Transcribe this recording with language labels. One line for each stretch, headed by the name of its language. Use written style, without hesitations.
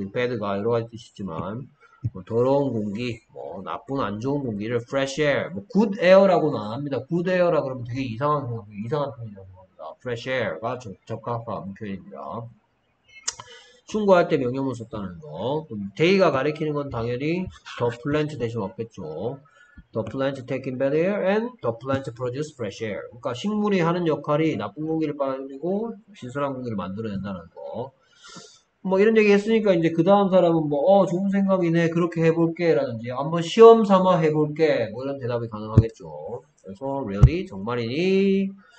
Korean: bad가 여러 가지 뜻이지만, 뭐 더러운 공기, 뭐 나쁜 안 좋은 공기를 fresh air, 뭐 good air라고는 안 합니다. good air라 그러면 되게 이상한 표현이라고. fresh air가 적합한 표현입니다. 충고할 때 명령문 썼다는 거. 데이가 가리키는 건 당연히 the plant 대신 왔겠죠.
English: the plant taking bad air and the plant produce fresh air.
Korean: 그러니까 식물이 하는 역할이 나쁜 공기를 빨아들이고 신선한 공기를 만들어낸다는 거. 뭐 이런 얘기 했으니까 이제 그 다음 사람은 뭐, 좋은 생각이네. 그렇게 해볼게. 라든지 한번 시험 삼아 해볼게. 뭐 이런 대답이 가능하겠죠. 그래서 really? 정말이니?